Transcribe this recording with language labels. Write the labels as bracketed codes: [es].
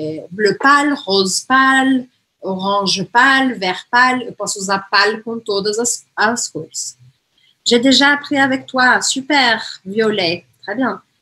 [fr] Bleu pâle, rose pâle, orange pâle, vert pâle. [pt] Eu posso usar pâle com todas as cores. [fr] J'ai déjà appris avec toi, super, violet, très bien.